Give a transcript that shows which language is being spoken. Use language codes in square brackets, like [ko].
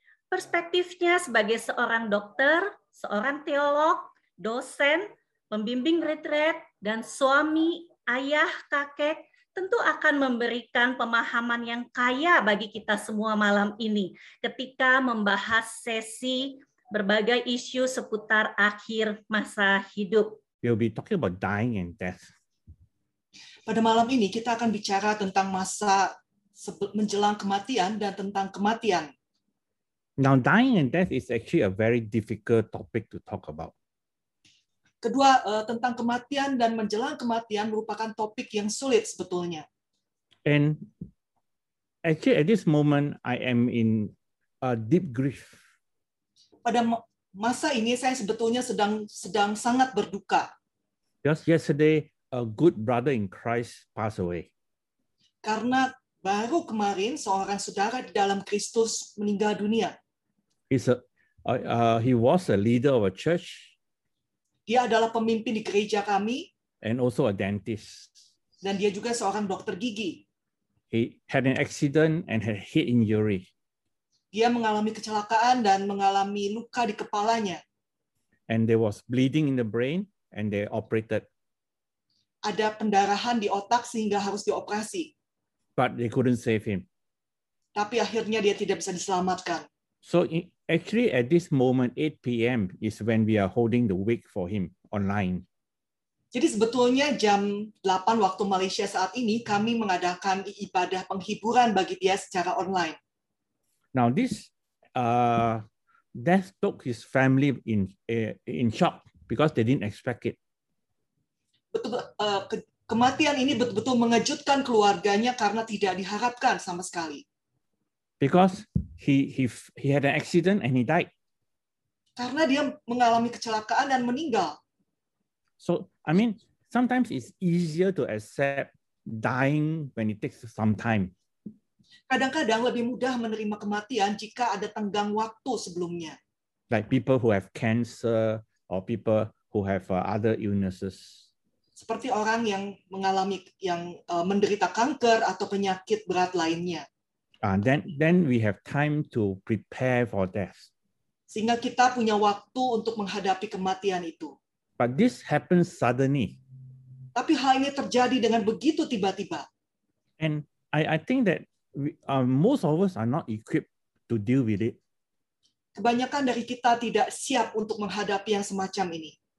[id] Perspektifnya sebagai seorang dokter, seorang teolog, dosen, pembimbing retret, dan suami, ayah, kakek, tentu akan memberikan pemahaman yang kaya bagi kita semua malam ini ketika membahas sesi berbagai isu seputar akhir masa hidup. [en] We'll be talking about dying and death. [id] Pada malam ini kita akan bicara tentang masa menjelang kematian dan tentang kematian. [en] Now, dying and death is actually a very difficult topic to talk about. [id] Kedua, tentang kematian dan menjelang kematian merupakan topik yang sulit sebetulnya. [en] And actually at this moment I am in a deep grief. [id] Pada masa ini saya sebetulnya sedang sangat berduka. [en] Just yesterday a good brother in Christ passed away. [id] Karena baru kemarin seorang saudara di dalam Kristus meninggal dunia. [en] He was a leader of a church. [id] Dia adalah pemimpin di gereja kami. [en] And also a dentist. [id] Dan dia juga seorang dokter gigi. [en] He had an accident and had head injury. [id] Dia mengalami kecelakaan dan mengalami luka di kepalanya. [en] And there was bleeding in the brain and they operated. [id] Ada pendarahan di otak sehingga harus dioperasi. [en] But they couldn't save him. [id] Tapi akhirnya dia tidak bisa diselamatkan. [en] So actually at this moment 8 p.m. is when we are holding the wake for him online. [id] Jadi sebetulnya jam 8 waktu Malaysia saat ini kami mengadakan ibadah penghiburan bagi dia secara online. [en] Now this death took his family in shock because they didn't expect it. [id] Kematian ini betul-betul mengejutkan keluarganya karena tidak diharapkan sama sekali. [en] Because he had an accident and he died. [id] Karena dia mengalami kecelakaan dan meninggal. [en] So I mean sometimes it's easier to accept dying when it takes some time. [id] Kadang-kadang lebih mudah menerima kematian jika ada tenggang waktu sebelumnya. [en] Like people who have cancer or people who have other illnesses. [id] Seperti orang yang mengalami yang menderita kanker atau penyakit berat lainnya. [en] Then we have time to prepare for death. [id] Sehingga kita punya waktu untuk menghadapi kematian itu. [en] But this happens suddenly. [id] Tapi hal ini terjadi dengan begitu tiba-tiba. [en] And I think that most of us are not equipped to deal with it. [id] Kebanyakan dari kita tidak siap untuk menghadapi yang semacam ini.